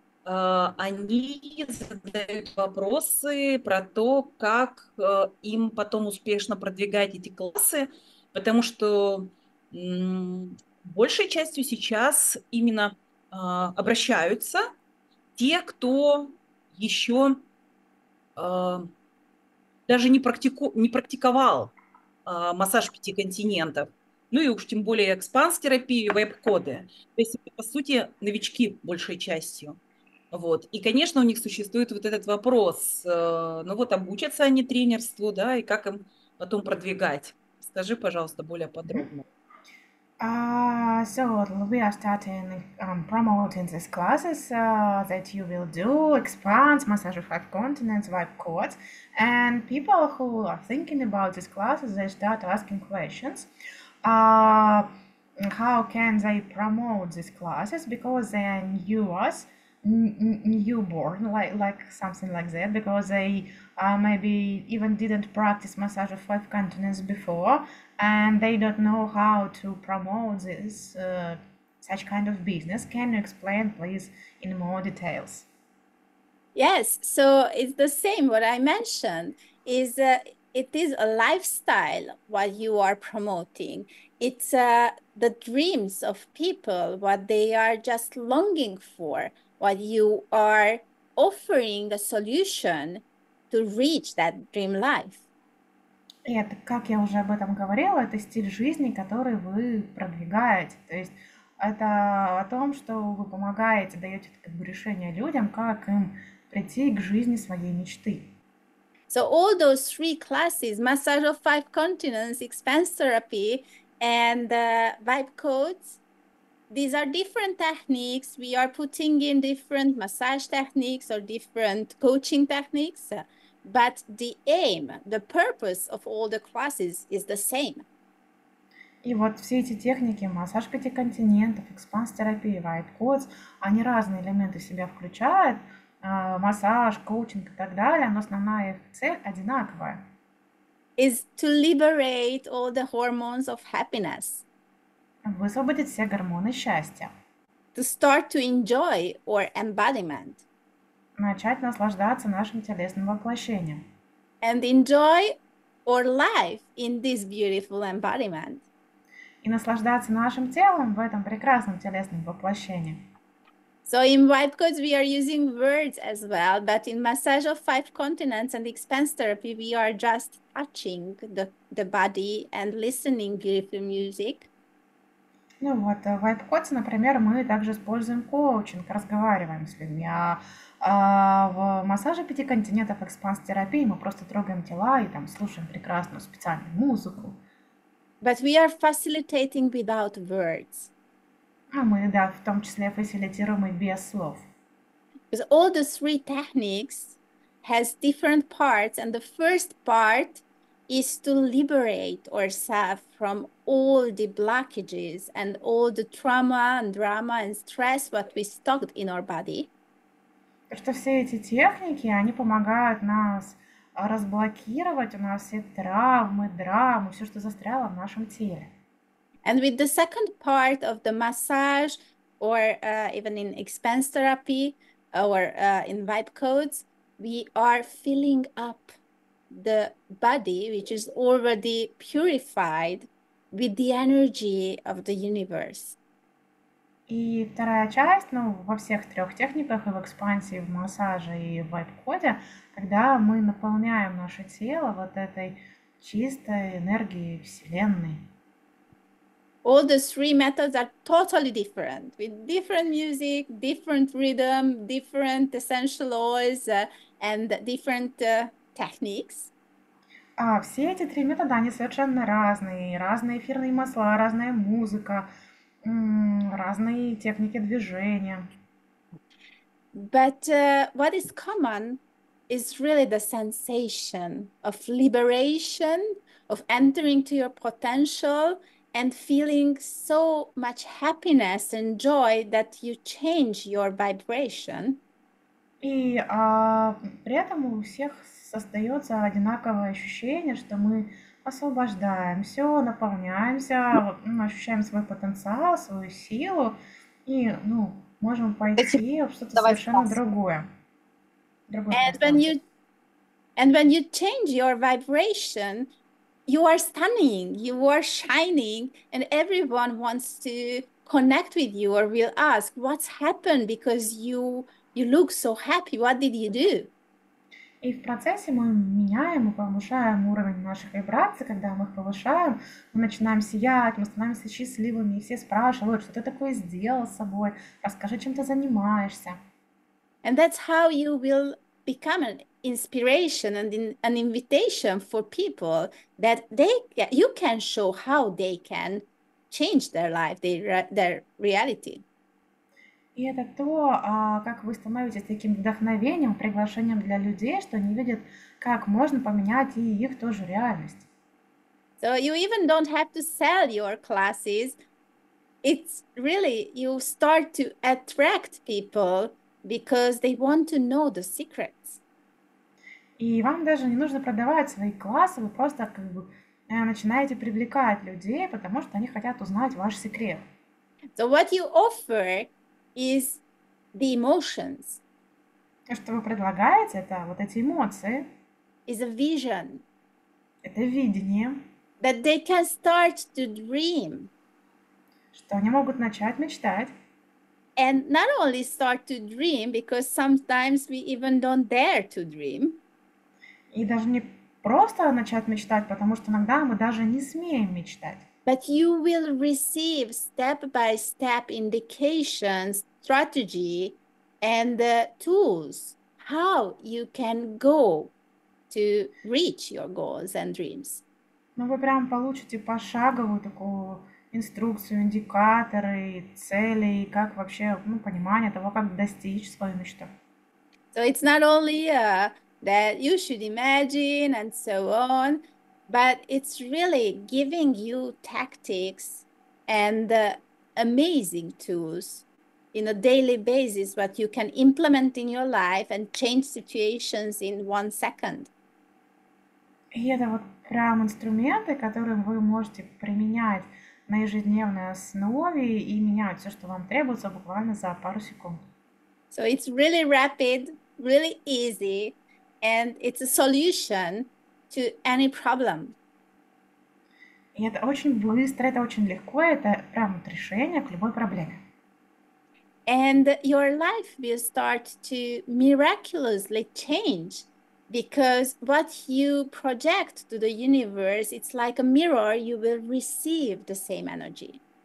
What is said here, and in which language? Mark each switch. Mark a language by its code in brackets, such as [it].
[ru] Они задают вопросы про то, как им потом успешно продвигать эти классы, потому что большей частью сейчас именно обращаются те, кто еще даже не практиковал массаж пяти континентов, ну и уж тем более экспанс-терапию, веб-коды. То есть, по сути, новички большей частью. Вот. И, конечно, у них существует вот этот вопрос. Ну вот обучатся они тренерству, да, и как им потом продвигать? Скажи, пожалуйста, более подробно. [en] So we are starting promoting these classes that you will do, expands massage of five continents, vibe cords. And people who are thinking about these classes, they start asking questions. How can they promote these classes? Because they are newborn, like something like that, because they maybe even didn't practice massage of five continents before, and they don't know how to promote this such kind of business. Can you explain, please, in more details? Yes, so it's the same. What I mentioned is it is a lifestyle what you are promoting. It's the dreams of people, what they are just longing for, what you are offering a solution to reach that dream life. [ru] И это, как я уже об этом говорила, это стиль жизни, который вы продвигаете. То есть это о том, что вы помогаете, даете как бы решение людям, как им прийти к жизни своей мечты. [en] So all those three classes, massage of five continents, expanse therapy, and vibe codes, these are different techniques. We are putting in different massage techniques or different coaching techniques, but the aim, the purpose of all the classes is the same. [ru] И вот все эти техники, массаж пяти континентов, экспанс-терапия, вайт-кодс, они разные элементы себя включают, массаж, коучинг и так далее, но основная их цель одинаковая. [en] Is to liberate all the hormones of happiness. [ru] Высвободить все гормоны счастья. [en] To start to enjoy or embodiment. [ru] Начать наслаждаться нашим телесным воплощением. [en] And enjoy our life in this beautiful embodiment. [ru] И наслаждаться нашим телом в этом прекрасном телесном воплощении. [en] So in vibe codes we are using words as well, but in massage of five continents and expanse therapy, we are just touching the body and listening beautiful music. [ru] Ну вот, в вайб-коде, например, мы также используем коучинг, разговариваем с людьми, а в массаже пяти континентов экспанс-терапии мы просто трогаем тела и там слушаем прекрасную специальную музыку. [en] But we are facilitating without words. [ru] А мы, да, в том числе фасилитируем и без слов. [en] Because all the three techniques has different parts, and the first part is to liberate ourselves from all the blockages and all the trauma and drama and stress what we stuck in our body. [ru] Что все эти техники, они помогают нас разблокировать у нас все травмы, драмы, все, что застряло в нашем теле. [en] And with the second part of the massage, or even in expanse therapy, or in vibe codes, we are filling up the body, which is already purified, with the energy of the universe. [ru] И вторая часть, ну, во всех трех техниках, и в экспансии, и в массаже, и в вайб-коде, когда мы наполняем наше тело вот этой чистой энергией Вселенной. [en] All the three methods are totally different, with different music, different rhythm, different essential oils, and different techniques. [ru] А все эти три метода, они совершенно разные. Разные эфирные масла, разная музыка, разные техники движения. [en] But what is common is really the sensation of liberation, of entering to your potential. And feeling so much happiness and joy that you change your vibration. [ru] И при этом у всех остается одинаковое ощущение, что мы освобождаемся, наполняемся, ощущаем свой потенциал, свою силу и, ну, можем Почему? пойти в что-то Давай совершенно спас. другое, другое пространство. [en] And when you change your vibration, you are stunning, you are shining, and everyone wants to connect with you or will ask, what's happened? Because you look so happy. What did you do? [ru] И в процессе мы меняем и повышаем уровень наших вибраций. Когда мы их повышаем, мы начинаем сиять, мы становимся счастливыми, и все спрашивают, что ты такое сделал с собой, расскажи, чем ты занимаешься. [en] And that's how you will become an inspiration and an invitation for people that you can show how they can change their life, their reality. [ru] И это то, как вы становитесь таким вдохновением, приглашением для людей, что они видят, как можно поменять и их тоже реальность. [en] So you even don't have to sell your classes. It's really you start to attract people because they want to know the secrets. [ru] И вам даже не нужно продавать свои классы, вы просто как бы начинаете привлекать людей, потому что они хотят узнать ваш секрет. [en] So what you offer is the emotions. [ru] То, что вы предлагаете, это вот эти эмоции. [en] Is a vision. [ru] Это видение. [en] That they can start to dream. [ru] Что они могут начать мечтать. [en] And not only start to dream, because sometimes we even don't dare to dream. [ru] И даже не просто начать мечтать, потому что иногда мы даже не смеем мечтать. [en] But you will receive step-by-step indications, strategy, and the tools how you can go to reach your goals and dreams. [ru] Ну, вы прям получите пошаговую такую инструкцию, индикаторы, цели, и как вообще, ну, понимание того, как достичь своей мечты. [en] So it's not only that you should imagine and so on, but it's really giving you tactics and amazing tools in a daily basis that you can implement in your life and change situations in 1 second. [ru] И это вот прям инструменты, которые вы можете применять на ежедневной основе и менять все, что вам требуется, буквально за пару секунд. [en] So it's really rapid, really easy, and it's a solution to any problem. [ru] И это очень быстро, это очень легко, это прям вот решение к любой проблеме. [en] And your life will start to miraculously change because what you project to the universe, it's like a mirror, you will receive the same energy.